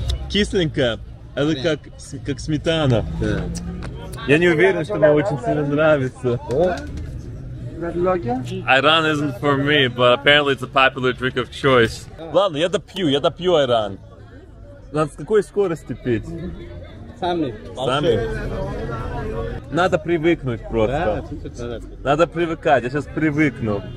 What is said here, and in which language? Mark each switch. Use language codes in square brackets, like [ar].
[ru] Кисленько, это как сметана. Я не уверен, что мне очень сильно нравится. [en] Айран isn't for me, but apparently it's a popular drink of choice. [ru] Ладно, я допью айран. Надо с какой скорости пить? Сами. Надо привыкнуть просто. Да, чуть-чуть надо. Надо привыкать, я сейчас привыкну.